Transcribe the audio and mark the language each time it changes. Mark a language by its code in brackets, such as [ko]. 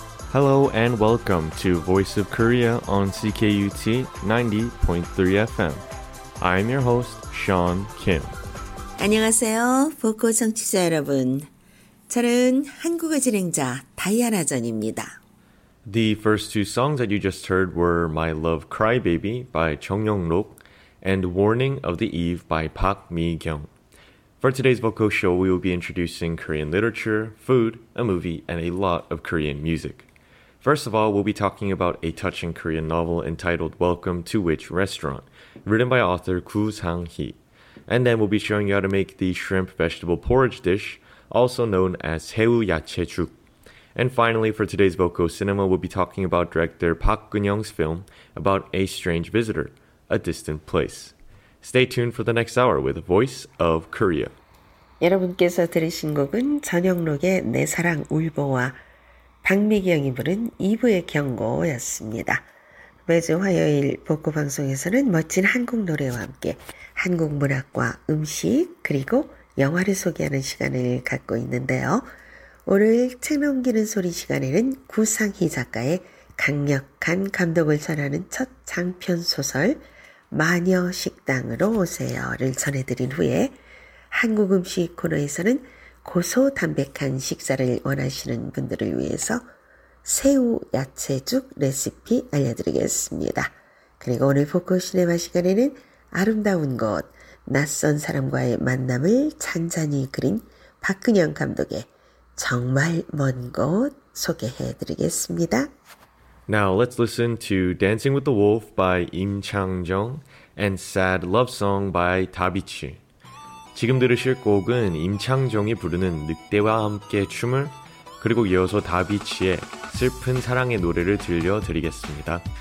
[en] Hello and welcome to Voice of Korea on CKUT 90.3 FM. I'm your host, Sean Kim. [ko] 안녕하세요, 보고 청취자 여러분. 저는 한국어 진행자 다이아나 전입니다. [en] The first two songs that you just heard were My Love Crybaby by Chung Yong-rok and Warning of the Eve by Park Mi-kyung. For today's vocal show, we will be introducing Korean literature, food, a movie, and a lot of Korean music. First of all, we'll be talking about a touching Korean novel entitled Welcome to Which Restaurant, written by author Gu Sang-hee. And then we'll be showing you how to make the shrimp vegetable porridge dish, also known as Haeu Yachejuk. And finally, for today's Voco Cinema, we'll be talking about director Park Geun-young's film about a strange visitor, A Distant Place. Stay tuned for the next hour with Voice of Korea. [ko] 여러분께서 들으신 곡은 전영록의 내 사랑 울보와 박미경이 부른 2부의 경고였습니다. 매주 화요일 복고 방송에서는 멋진 한국 노래와 함께 한국 문학과 음식 그리고 영화를 소개하는 시간을 갖고 있는데요. 오늘 책 넘기는 소리 시간에는 구상희 작가의 강력한 감독을 전하는 첫 장편 소설 마녀 식당으로 오세요를 전해드린 후에 한국 음식 코너에서는 고소담백한 식사를 원하시는 분들을 위해서 새우 야채죽 레시피 알려드리겠습니다. 그리고 오늘 포커시네마 시간에는 아름다운 곳, 낯선 사람과의 만남을 잔잔히 그린 박근영 감독의 정말 먼 곳 소개해드리겠습니다. [en] Now let's listen to Dancing with the Wolf by 임창정 and Sad Love Song by 다비치. [ko] 지금 들으실 곡은 임창정이 부르는 늑대와 함께 춤을 그리고 이어서 다비치의 슬픈 사랑의 노래를 들려드리겠습니다.